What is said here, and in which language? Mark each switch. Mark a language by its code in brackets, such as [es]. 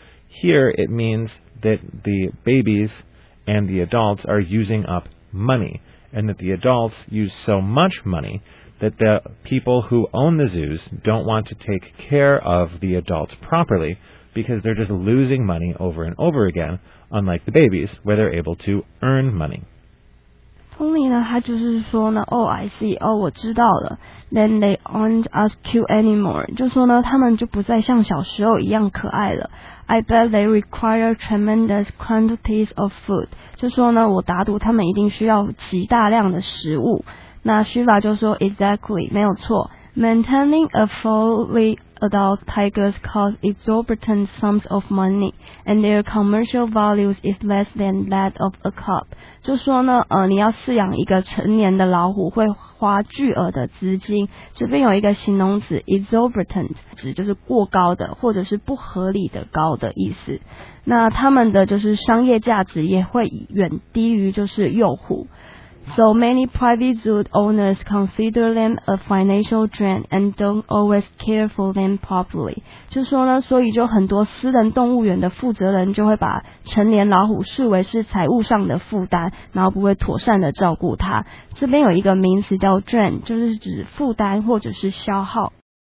[en] Here it means that the babies and the adults are using up money, and that the adults use so much money that the people who own the zoos don't want to take care of the adults properly because they're just losing money over and over again, unlike the babies, where they're able to earn money. [zh] Tony 呢，他就是说呢 ， [en] Oh, I see. [zh] 哦，我知道了。 [en] Then they aren't as cute anymore. [zh] 就说呢，他们就不再像小时候一样可爱了。 [en] I bet they require tremendous quantities of food. [zh] 就说呢，我打赌他们一定需要极大量的食物。那 Shiva 就说 ， [en] Exactly, [zh] 没有错。 [en] Maintaining a fully adult tigers costs exorbitant sums of money, and their commercial values is less than that of a cub. [zh] 就说呢，你要饲养一个成年的老虎会花巨额的资金。这边有一个形容词 exorbitant， 指就是过高的或者是不合理的高的意思。那他们的就是商业价值也会远低于就是幼虎。 [en] So many private zoo owners consider them a financial drain and don't always care for them properly. [zh] 就说呢，所以就很多私人动物园的负责人就会把成年老虎视为是财务上的负担，然后不会妥善的照顾它。这边有一个名词叫 drain， 就是指负担或者是消耗。